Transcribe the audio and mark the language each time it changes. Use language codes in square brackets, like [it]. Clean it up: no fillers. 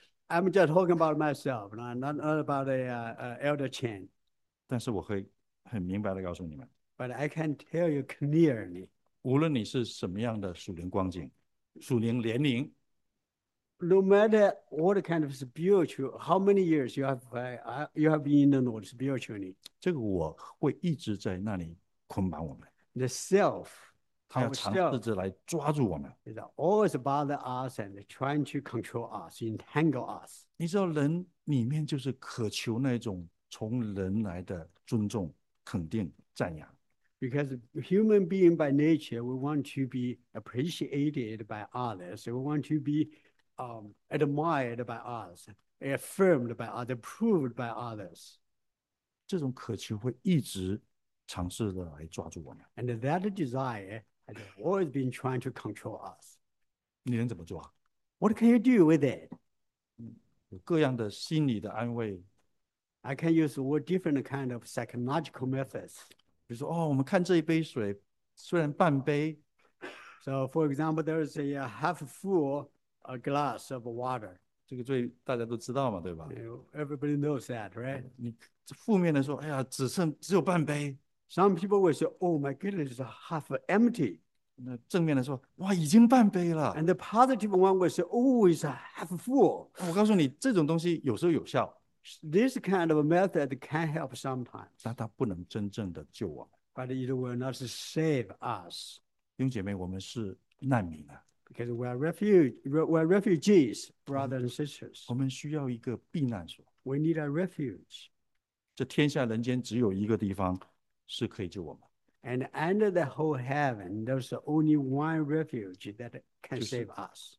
[en] I'm just talking about myself, not about the elder Chen. [zh] 但是我会很明白的告诉你们。 [en] But I can tell you clearly. [zh] 无论你是什么样的属灵光景，属灵年龄。 [en] No matter what kind of spiritual, how many years you have been in the Lord spiritually. [zh] 这个我会一直在那里捆绑我们。 [en] The self, [zh] 他要尝试着来抓住我们。 [en] Is always bother us and trying to control us, entangle us. [zh] 你知道人里面就是渴求那种从人来的尊重、肯定、赞扬。 [en] Because human being by nature, we want to be appreciated by others. We want to be admired by others, affirmed by others, approved by others. [zh] 这种渴求会一直尝试的来抓住我们。 [en] And that desire has always been trying to control us. [zh] 你能怎么抓？ [en] What can you do with it? [zh] 有各样的心理的安慰。 [en] I can use all different kind of psychological methods. [zh] 比如说，哦，我们看这一杯水，虽然半杯。 [en] So, for example, there is a half full a glass of water. [zh] 这个罪大家都知道嘛，对吧？ [en] Everybody knows that, right? [zh] 你负面的说，哎呀，只有半杯。 [en] Some people will say, oh my goodness, it's half empty. [zh] 那正面的说，哇，已经半杯了。 [en] And the positive one will say, oh, it's a half full. [zh] 我告诉你，这种东西有时候有效。 [en] This kind of method can help sometimes. [zh] 但它不能真正的救我们。 [en] But it will not save us. [zh] 弟兄姐妹，我们是难民啊。 [en] Because we are refugees, brothers and sisters. [zh] 我们需要一个避难所。 [en] We need a refuge. [zh] 这天下人间只有一个地方是可以救我们。 [en] And under the whole heaven, there's only one refuge that can save us.